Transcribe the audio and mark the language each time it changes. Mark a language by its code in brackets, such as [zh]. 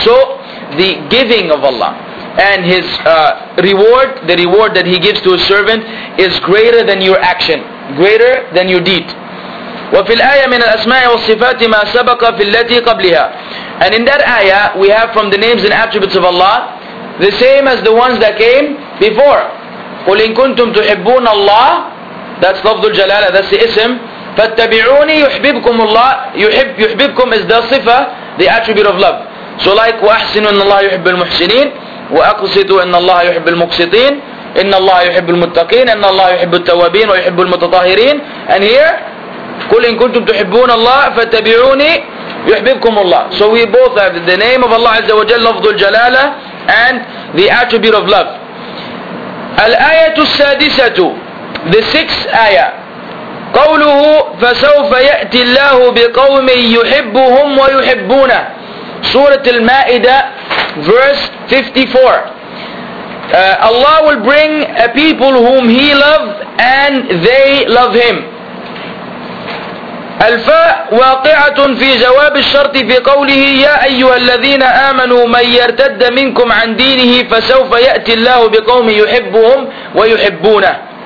[en] So the giving of Allah and His reward, the reward that He gives to His servant, is greater than your action, greater than your deed. [ar] وَفِي الْآيَةِ مِنَ الْأَسْمَاءِ وَالصِّفَاتِ مَا سَبَقَ فِي الَّتِي قَبْلِهَا. [en] And in that ayah, we have from the names and attributes of Allah the same as the ones that came before. [ar] قُلْ إِن كُنْتُمْ تُحِبُّونَ اللَّهِ, [en] that's lafdul jalala, that's the ism, [ar] فَاتَّبِعُونِي يُحْبِبْكُمُ اللَّهِ. [en] يُحْبِبْكُمْ is the sifa, the attribute of love. [ar] So like وَأَحْسِنُوا إِنَّ اللَّهَ يُحِبُّ الْمُحْسِنِينَ, وَأَقْسِطُوا إِنَّ اللَّهَ يُحِبُّ الْمُقْسِطِينَ, إِنَّ اللَّهَ يُحِبُّ الْمُتَّقِينَ, إِنَّ اللَّهَ يُحِبُّ التَّوَّابِينَ وَيُحِبُّ الْمُتَطَهِّرِينَ. [en] And here, [ar] قُلْ إِن كُنْتُمْ تُحِبُّونَ اللَّهَ فَاتَّبِعُونِي يُحْبِبْكُمُ اللَّهُ. [en] So we both have the name of Allah Azza wa Jalla, lafdul jalala, and the attribute of love. [ar] الْآيَةُ السَّادِسَةُ, [en] the sixth ayah. [ar] قَوْلُهُ فَسَوْفَ يَأْتِ اللَّهُ بِقَوْمٍ يُحِبُّهُمْ وَيُحِبُّونَ. [en] Surah Al-Ma'idah, verse 54. Allah will bring a people whom He loves and they love Him. [ar] الفاء واقعة في جواب الشرط في قوله يا أيها الذين آمنوا من يرتد منكم عن دينه فسوف يأتي الله بقوم يحبهم ويحبونه.